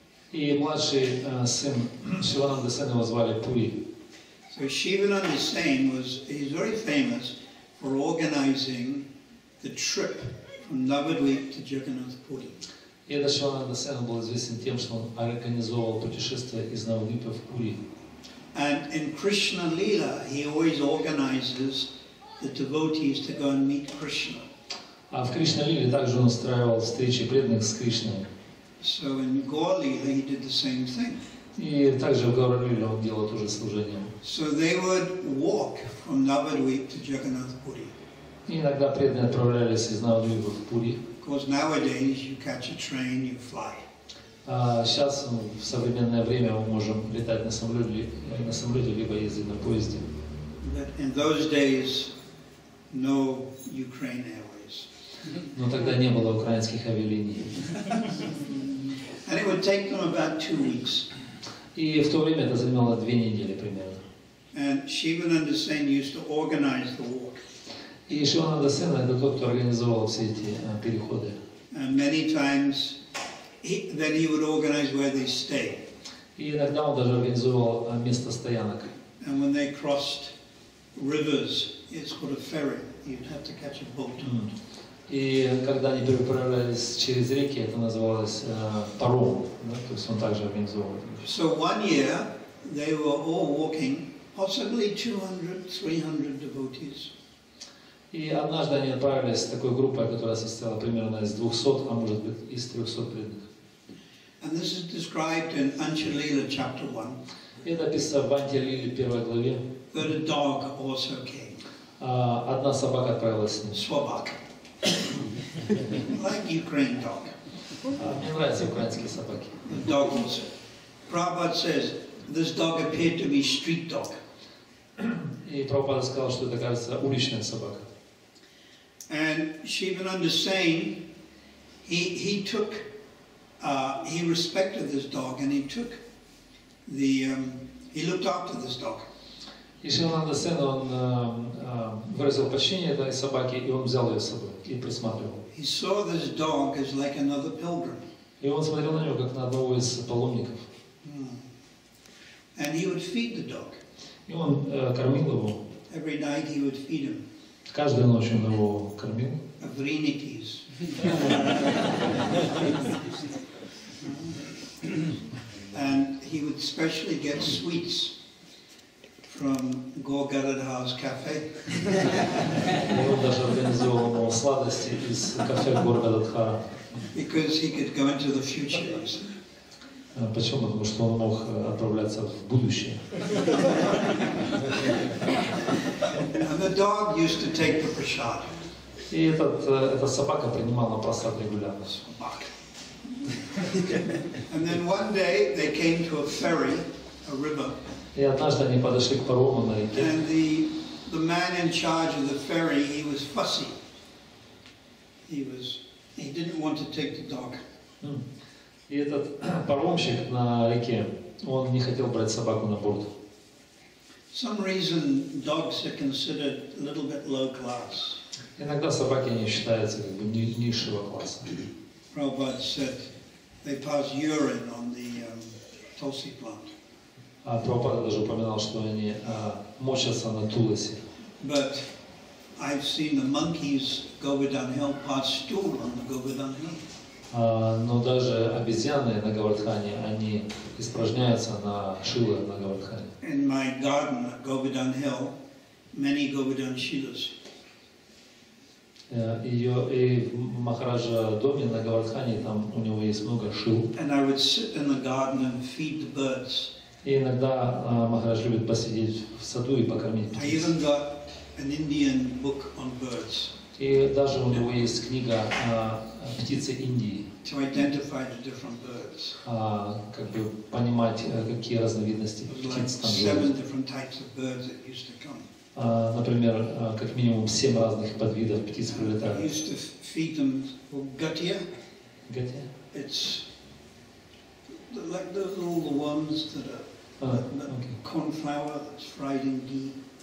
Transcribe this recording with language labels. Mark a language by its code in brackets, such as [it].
[ru] И младший сын Шивананда Сен его звали Пури. [en] So Shivananda Sen was, he's very famous for organizing the trip from Navadvip to Jagannath Puri. [ru] И этот Шивананда Сен был известен тем, что он организовал путешествие из Навадвипа в Пури. [en] And in Krishna Lila, he always organizes the devotees to go and meet Krishna. [ru] А в Кришна Лиле также он устраивал встречи преданных с Кришной. [en] So in Gaur Lila, he did the same thing. [ru] И также в Гаур Лиле он делал то же служение. [en] So they would walk from Navadvip to Jagannath Puri. [ru] Иногда преданные отправлялись из Навадвипа в Пури. [en] Because nowadays you catch a train, you fly. [ru] Сейчас в современное время мы можем летать на самолете либо ездить на поезде. [en] In those days, no Ukraine Airways. [ru] Но тогда не было украинских авиалиний. [en] And it would take them about 2 weeks. [ru] И в то время это занимало 2 недели примерно. [en] And Shivananda Sen used to organize the walk. [ru] И Шивананда Сен это тот, кто организовал все эти переходы. [en] And many times then he would organize where they stay. [ru] И иногда он даже организовал место стоянок. [en] And when they crossed rivers, it's called a ferry. You'd have to catch a boat. [ru] И когда они переправлялись через реки, это называлось паром. То есть он также организовал. [en] So one year they were all walking, possibly 200-300 devotees. [ru] И однажды они отправились с такой группой, которая состояла примерно из 200, а может быть из 300 преданных. [en] And this is described in Anchalila chapter 1. [ru] Это описано в Анчалиле первой главе. [en] But a dog also came. [ru] Одна собака отправилась с ним. [en] Swabak. Like Ukraine dog. [ru] Мне нравятся украинские собаки. [en] The dog also. Prabhupada says, this dog appeared to be street dog. [ru] И Прабхупада сказал, что это, кажется, уличная собака. [en] And Shivananda Sen, he respected this dog and he looked after this dog. [ru] И Шивананда Сен, он выразил почтение этой собаке, и он взял ее с собой и присматривал. [en] He saw this dog as like another pilgrim. [ru] И он смотрел на него, как на одного из паломников. [en] Mm. And he would feed the dog. [ru] И он кормил его. [en] Every night he would feed him. [ru] Каждую ночь он его кормил. Вреникис. [en] And he would specially get sweets from Gaur Garadhar's cafe. [ru] Он даже организовал ему сладости из кафе Гаур Гададхара. [en] Because he could go into the future. [ru] Почему? Потому что он мог отправляться в будущее. [en] And the dog used to take the prasad. [ru] И эта собака принимала прасад регулярно. [en] And then one day they came to a ferry, a river. [ru] И однажды они подошли к парому на реке. [en] And the man in charge of the ferry, he was fussy. He didn't want to take the dog. [ru] И этот паромщик на реке, он не хотел брать собаку на борт. [en] Some reason dogs are considered a little bit low class. [ru] Иногда собаки не считаются как бы низшего класса. [en] Prabhupada said they pass urine on the tulsi plant. [ru] А Прабхупада даже упоминал, что они мочатся на тулсе. [en] But I've seen the monkeys Govardhan Hill pass stool on the Govardhan Hill. [ru] Но даже обезьяны на Говардхане, они испражняются на шилы на Говардхане. [en] In my garden, Govardhan Hill, many Govardhan shilas. [ru] И в Махараджа доме на Говардхане там у него есть много шил. [en] And I would sit in the garden and feed the birds. [ru] И иногда Махарадж любит посидеть в саду и покормить птиц. [en] I even got an Indian book on birds. [ru] И даже у него есть книга «Птицы Индии». [en] To identify the different birds. [ru] Как бы понимать, какие разновидности птиц там живут. [en] Seven different types of birds that used to come. [ru] Например, как минимум 7 разных подвидов птиц прилетали. [en] I used to feed them for gutia. Gutia? It's like those little worms that are cornflour that's fried in ghee.